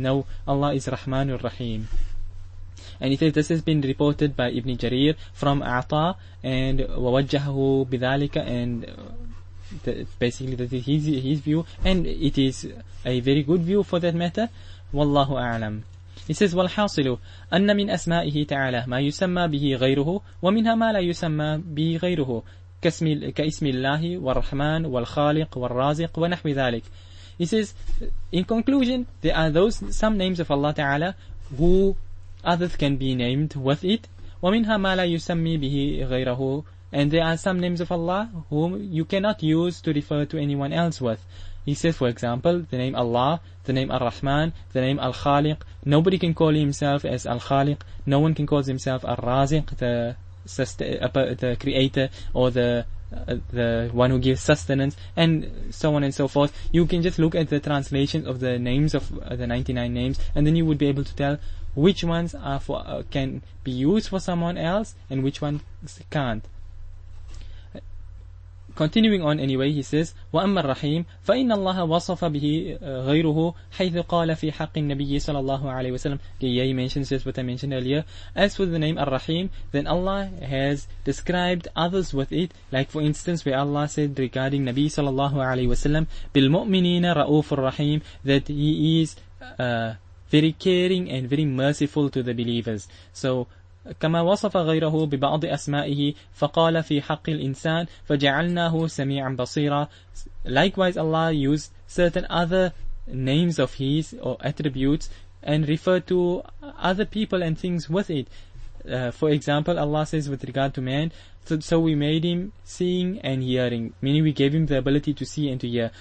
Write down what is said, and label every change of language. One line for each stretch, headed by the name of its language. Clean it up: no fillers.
English: No, Allah is Rahman al-Rahim. And it says this has been reported by Ibn Jarir from Ata, and
Arabic: wawajjahu bidhalika,
English: and basically that is his view, and it is a very good view for that matter.
Arabic: Wallahu a'lam.
English: He says,
Arabic: والحاصل أن من أسمائه تعالى ما يسمى به غيره ومنها ما لا يسمى به غيره كاسم الله والرحمن والخالق والرازق ونحو ذلك.
English: He says, in conclusion, there are those some names of Allah Ta'ala who others can be named with it,
Arabic: ومنها ما لا يسمى به غيره,
English: and there are some names of Allah whom you cannot use to refer to anyone else with. He says, for example, the name Allah, the name Ar-Rahman, the name Al-Khaliq. Nobody can call himself as Al-Khaliq. No one can call himself Ar-Raziq, the creator, or the one who gives sustenance, and so on and so forth. You can just look at the translation of the names of the 99 names, and then you would be able to tell which ones are for, can be used for someone else, and which ones can't. Continuing on anyway, he says,
Arabic: وَأَمَّا الرَّحِيمُ فَإِنَّ اللَّهَ وَصَفَ بِهِ غَيْرُهُ حَيْثُ قَالَ فِي حَقِّ النَّبِيِّ صَلَى اللَّهُ عَلَيْهِ وَسَلَمُ.
English: Yeah, he mentions this, what I mentioned earlier. As for the name Ar-Rahim, then Allah has described others with it, like for instance, where Allah said regarding Nabi صلى الله عليه وسلم,
Arabic: بِالْمُؤْمِنِينَ رَؤُوفُ الرَّحِيمُ,
English: that he is very caring and very merciful to the believers. So,
Arabic: كما وصف غيره ببعض أسمائه فقال في حق الإنسان فجعلناه سميعا بصيرا.
English: Likewise, Allah used certain other names of his or attributes and referred to other people and things with it. For example, Allah says with regard to man, so we made him seeing and hearing, meaning we gave him the ability to see and to hear.